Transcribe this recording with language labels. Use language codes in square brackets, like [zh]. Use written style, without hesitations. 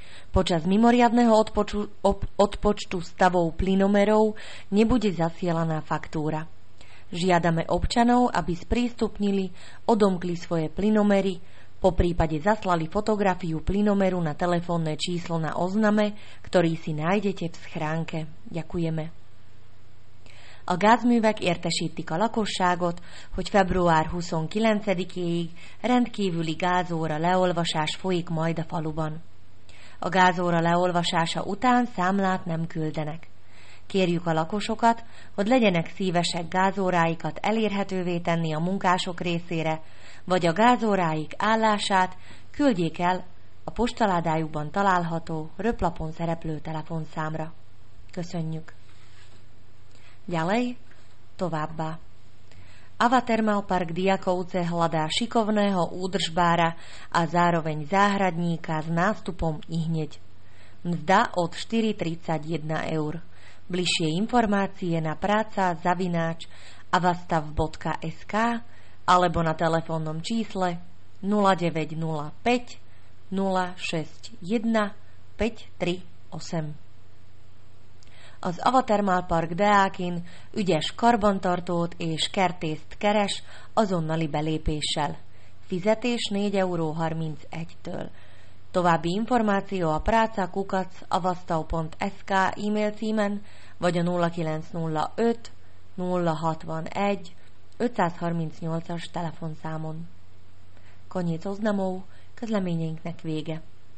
[sk] Počas mimoriadneho odpočtu stavov plynomerov nebude zasielaná faktúra. Žiadame občanov, aby sprístupnili, odomkli svoje plynomery, po prípade zaslali fotografiu plynomeru na telefónne číslo na ozname, ktorý si nájdete v schránke. Ďakujeme. [hu] A gázművek értesítik a lakosságot, hogy február 29-ig rendkívüli gázóra leolvasás folyik majd a faluban. A gázóra leolvasása után számlát nem küldenek. Kérjük a lakosokat, hogy legyenek szívesek gázóráikat elérhetővé tenni a munkások részére, vagy a gázóráik állását küldjék el a postaládájukban található röplapon szereplő telefonszámra. Köszönjük! [sk] Ďalej, [hu] továbbá. [sk] Ava Termálpark Diakovce hľadá šikovného údržbára a zároveň záhradníka s nástupom ihneď. Mzda od 4,31 eur. Bližšie informácie na praca@avastav.sk alebo na telefónnom čísle 0905 061 538. [hu] Az Ava Termálpark Deákin ügyes karbantartót és kertészt keres azonnali belépéssel. Fizetés 4,31 €. További információ a praca@avastav.sk e-mail címen vagy a 0905 061 538-as telefonszámon. [sk] Konnyi coznamov, [hu] közleményeinknek vége.